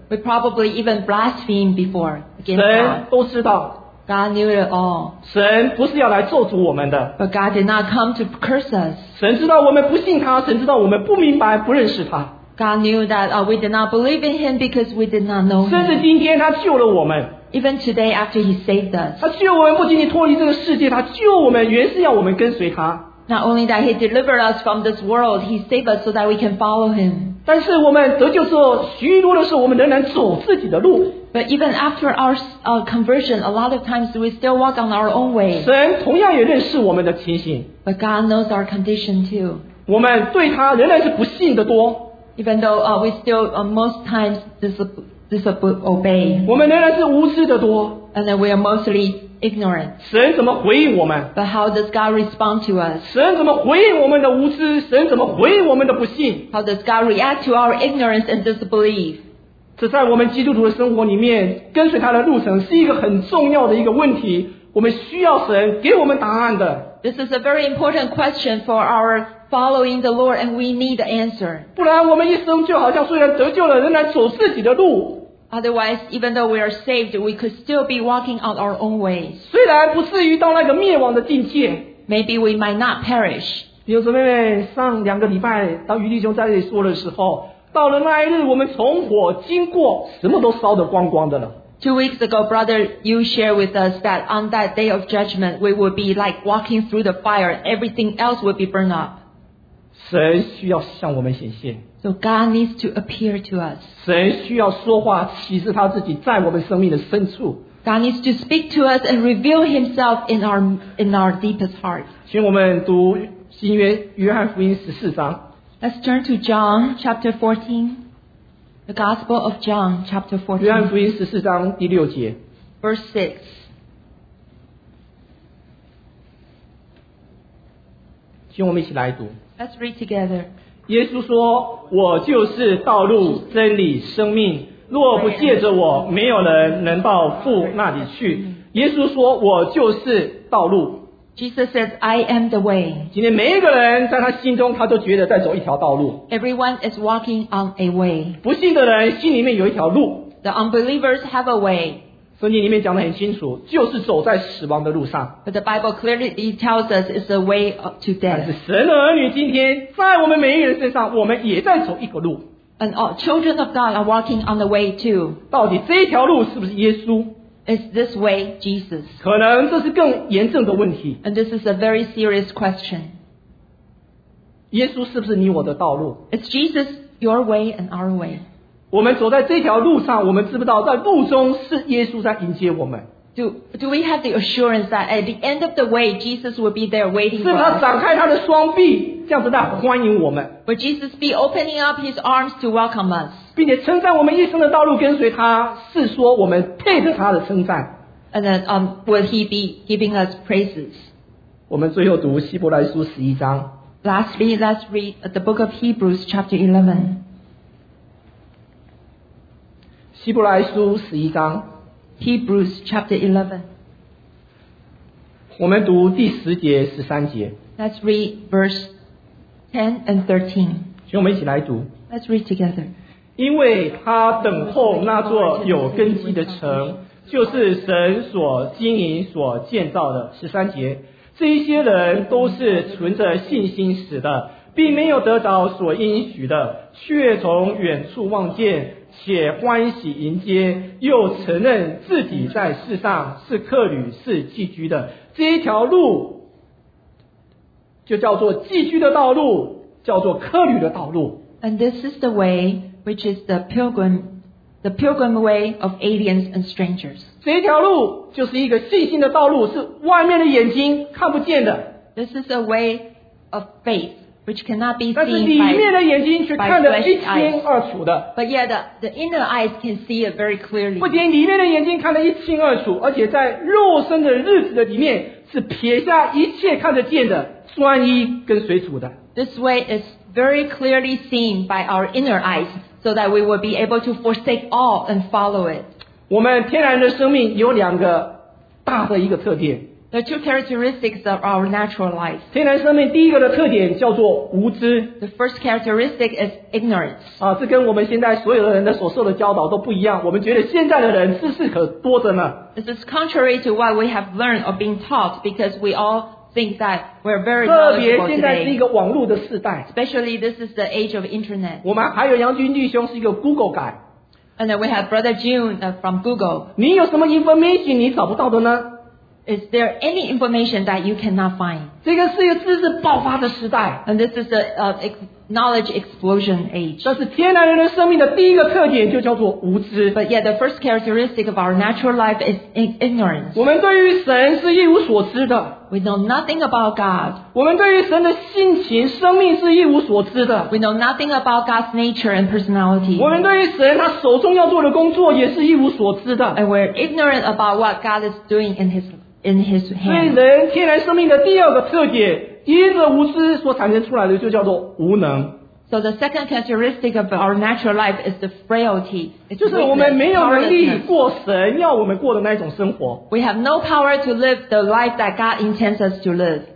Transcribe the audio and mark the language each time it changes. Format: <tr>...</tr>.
<en>We probably even blasphemed before against God.</en> <zh>神都知道。</zh> <en>God knew it all.</en> <zh>神不是要来咒诅我们的。</zh> <en>But God did not come to curse us.</en> <zh>神知道我们不信他，神知道我们不明白，不认识他。</zh> <en>God knew that we did not believe in him because we did not know him.</en> <zh>甚至今天他救了我们。</zh> <en>Even today after he saved us.</en> <zh>他救我们不仅仅脱离这个世界，他救我们原是要我们跟随他。</zh> <en>Not only that he delivered us from this world, he saved us so that we can follow him.</en> <zh>但是我们得救之后，许多的时候我们仍然走自己的路。</zh> <en>But even after our conversion, a lot of times we still walk on our own way.</en> <zh>神同样也认识我们的情形。</zh> <en>But God knows our condition too.</en> <zh>我们对他仍然是不信的多。</zh> <en>Even though we still most times disobey.</en> <zh>我们仍然是无知的多。</zh> <en>And then we are mostly ignorant.</en> <zh>神怎么回应我们？</zh> <en>But how does God respond to us?</en> <zh>神怎么回应我们的无知？神怎么回应我们的不信？</zh> <en>How does God react to our ignorance and disbelief?</en> <zh>这在我们基督徒的生活里面，跟随他的路程是一个很重要的一个问题，我们需要神给我们答案的。</zh> <en>This is a very important question for our following the Lord and we need the answer.</en> <zh>不然我们一生就好像虽然得救了仍然走自己的路。</zh> <en>Otherwise, even though we are saved, we could still be walking out our own ways.</en> <zh>虽然不至于到那个灭亡的境界。</zh> <en>Maybe we might not perish.</en> <zh>弟兄姊妹们，上两个礼拜，当余弟兄在这里说的时候，到了那一日，我们从火经过，什么都烧得光光的了。</zh> <en>Two weeks ago, brother, you shared with us that on that day of judgment, we would be like walking through the fire, everything else would be burned up.</en> <zh>神需要向我们显现。</zh> <en>So God needs to appear to us.</en> <zh>神需要说话，启示他自己在我们生命的深处。</zh> <en>God needs to speak to us and reveal himself in our deepest heart.</en> <zh>请我们读新约约翰福音十四章。</zh> <en>Let's turn to John chapter 14. The Gospel of John chapter 14.</en> <zh>约翰福音十四章第六节。</zh> <en>Verse 6.</en> <zh>请我们一起来读。</zh> <en>Let's read together.</en> <zh>耶稣说，我就是道路、真理、生命，若不借着我，没有人能到父那里去。耶稣说，我就是道路。</zh> <en>Jesus says, I am the way.</en> <zh>今天每一个人在他心中，他都觉得在走一条道路。</zh> <en>Everyone is walking on a way.</en> <zh>不信的人心里面有一条路。</zh> <en>The unbelievers have a way.</en> <zh>圣经里面讲得很清楚，就是走在死亡的路上。</zh> <en>But the Bible clearly tells us it's a way to death.</en> <zh>但是神的儿女今天在我们每一个人身上，我们也在走一个路。</zh> <en>And all children of God are walking on the way too.</en> <zh>到底这一条路是不是耶稣？</zh> <en>Is this way Jesus?</en> <zh>可能这是更严重的问题。</zh> <en>And this is a very serious question.</en> <zh>耶稣是不是你我的道路？</zh> <en>Is Jesus your way and our way?</en> <zh>我们走在这条路上，我们知不知道在路中是耶稣在迎接我们？</zh> <en>Do we have the assurance that at the end of the way, Jesus will be there waiting for us?</en> <zh>是不是他展开他的双臂，这样子在欢迎我们？</zh> <en>Will Jesus be opening up his arms to welcome us?</en> <zh>并且称赞我们一生的道路跟随他，是说我们配得他的称赞。</zh> <en>And then, will he be giving us praises?</en> <zh>我们最后读希伯来书十一章。</zh> <en>Lastly, let's read the book of Hebrews chapter 11.</en> <zh>希伯来书十一章</zh> <en>Hebrews chapter 11</en> <zh>我们读第十节十三节</zh> <en>Let's read verse 10 and 13</en> <zh>请我们一起来读</zh> <en>Let's read together</en> <zh>因为他等候那座有根基的城就是神所经营所建造的十三节这一些人都是存着信心死的并没有得着所应许的却从远处望见且欢喜迎接又承认自己在世上是客旅是寄居的这一条路就叫做寄居的道路叫做客旅的道路。</zh> <en>And this is the way which is the pilgrim way of aliens and strangers.</en> <zh>这条路就是一个信心的道路，是外面的眼睛看不见的。</zh> <en>This is a way of faith which cannot be seen by flesh</en> <zh>但是里面的眼睛却看得一清二楚的。</zh> <en>But yet the inner eyes can see it very clearly.</en> <zh>不仅里面的眼睛看得一清二楚，而且在肉身的日子的里面是撇下一切看得见的，专一跟随主的。</zh> <en>This way is very clearly seen by our inner eyes, so that we will be able to forsake all and follow it.</en> <zh>我们天然的生命有两个大的一个特点。</zh> <en>The two characteristics of our natural life.</en> <zh>天然生命第一个的特点叫做无知。</zh> <en>The first characteristic is ignorance.</en> <zh>啊，这跟我们现在所有的人的所受的教导都不一样。我们觉得现在的人知识可多着呢。</zh> <en>This is contrary to what we have learned or been taught, because we all think that we're very knowledgeable today.</en> <zh>特别现在是一个网络的时代。</zh> <en>Especially this is the age of internet.</en> <zh>我们还有杨军弟兄是一个</zh> <en>Google guy. And then we have Brother June from Google.</en> <zh>你有什么 information 你找不到的呢？</zh> <en>Is there any information that you cannot find?</en> <zh>这个是一个知识爆发的时代。</zh> <en>And this is a knowledge explosion age.</en> <zh>但是天然人的生命的第一个特点就叫做无知。</zh> <en>But yeah, the first characteristic of our natural life is ignorance.</en> <zh>我们对于神是一无所知的。</zh> <en>We know nothing about God.</en> <zh>我们对于神的性情、生命是一无所知的。</zh> <en>We know nothing about God's nature and personality.</en> <zh>我们对于神他手中要做的工作也是一无所知的。</zh> <en>And we're ignorant about what God is doing in his hand.</en> <zh>所以人天然生命的第二个特点，因着无知所产生出来的，就叫做无能。</zh> <en>So the second characteristic of our natural life is the frailty.</en> <zh>就是我们没有能力过神要我们过的那种生活。</zh> <en>We have no power to live the life that God intends us to live.</en>